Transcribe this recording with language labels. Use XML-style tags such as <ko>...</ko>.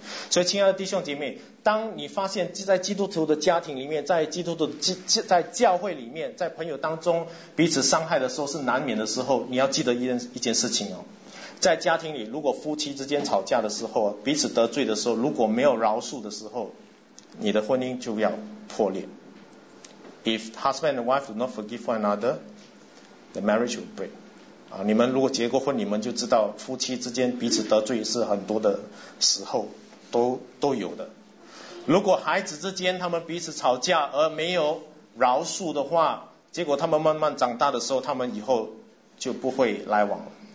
<zh>所以亲爱的弟兄姐妹，当你发现在基督徒的家庭里面，在基督徒在教会里面，在朋友当中彼此伤害的时候是难免的时候，你要记得一件事情在家庭里，如果夫妻之间吵架的时候，彼此得罪的时候，如果没有饶恕的时候，你的婚姻就要破裂。</zh> <en>If husband and wife do not forgive one another, the marriage will break.</en> <zh>你们如果结过婚，你们就知道夫妻之间彼此得罪是很多的时候都有的。如果孩子之间他们彼此吵架而没有饶恕的话，结果他们慢慢长大的时候，他们以后就不会来往了。</zh>